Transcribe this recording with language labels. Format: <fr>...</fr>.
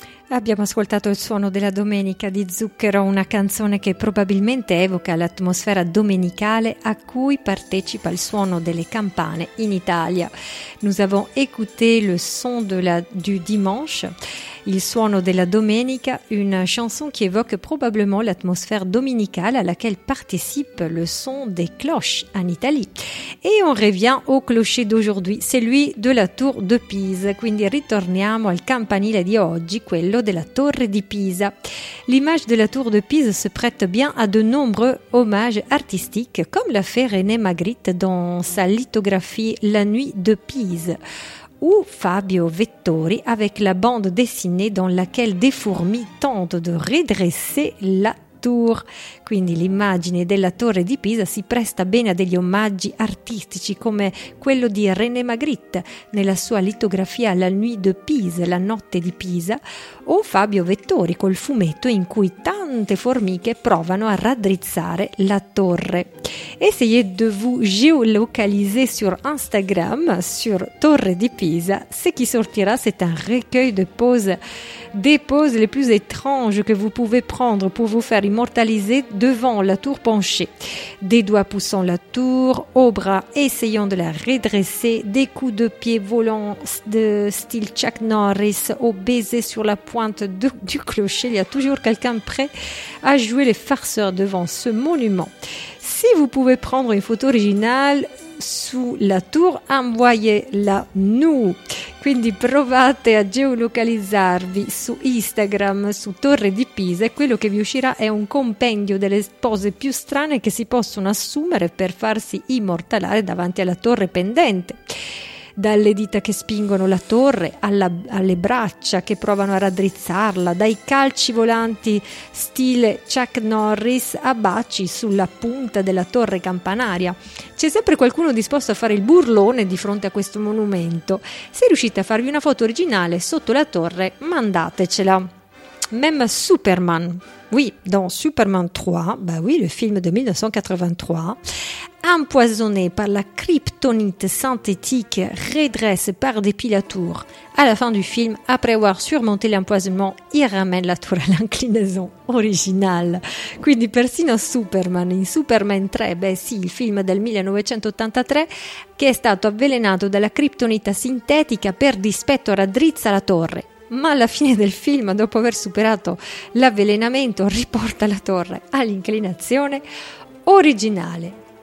<it>Abbiamo ascoltato il suono della domenica di Zucchero, una canzone che probabilmente evoca l'atmosfera domenicale a cui partecipa il suono delle campane in Italia.</it> <fr>Nous avons écouté le son de la du dimanche,</fr> <it>il suono della domenica,</it> <fr>une chanson qui évoque probablement l'atmosphère dominicale à laquelle participe le son des cloches en Italie. Et on revient au clocher d'aujourd'hui, celui de la tour de Pise.</fr> <it>Quindi ritorniamo al campanile di oggi, quello della torre di Pisa.</it> <fr>L'image de la tour de Pise se prête bien à de nombreux hommages artistiques, comme l'a fait René Magritte dans sa lithographie « La nuit de Pise ». Ou Fabio Vettori avec la bande dessinée dans laquelle des fourmis tentent de redresser la tour.</fr> <it>Quindi l'immagine della torre di Pisa si presta bene a degli omaggi artistici come quello di René Magritte nella sua litografia La nuit de Pise, la notte di Pisa, o Fabio Vettori col fumetto in cui tante formiche provano a raddrizzare la torre.</it> <fr>Essayez de vous géolocaliser sur Instagram, sur Torre di Pisa. Ce qui sortira, c'est un recueil de poses, des poses les plus étranges que vous pouvez prendre pour vous faire immortaliser devant la tour penchée. Des doigts poussant la tour, aux bras essayant de la redresser, des coups de pied volants de style Chuck Norris, au baiser sur la pointe du clocher. Il y a toujours quelqu'un prêt à jouer les farceurs devant ce monument. Si vous pouvez prendre une photo originale, sulla tour en voyez la nu.</fr> <it>Quindi provate a geolocalizzarvi su Instagram, su Torre di Pisa, e quello che vi uscirà è un compendio delle pose più strane che si possono assumere per farsi immortalare davanti alla torre pendente. Dalle dita che spingono la torre alle braccia che provano a raddrizzarla, dai calci volanti stile Chuck Norris a baci sulla punta della torre campanaria. C'è sempre qualcuno disposto a fare il burlone di fronte a questo monumento. Se riuscite a farvi una foto originale sotto la torre, mandatecela.</it> <fr>Même Superman. Oui, dans Superman 3, bah oui, le film de 1983, empoisonné par la kryptonite synthétique, redresse par dépit la tour. À la fin du film, après avoir surmonté l'empoisonnement, il ramène la tour à l'inclinaison originale.</fr> <it>Quindi persino Superman, in Superman 3, beh sì, il film del 1983, che è stato avvelenato dalla kryptonite sintetica per dispetto raddrizza la torre. Ma alla fine del film, dopo aver superato l'avvelenamento, riporta la torre all'inclinazione originale.</it>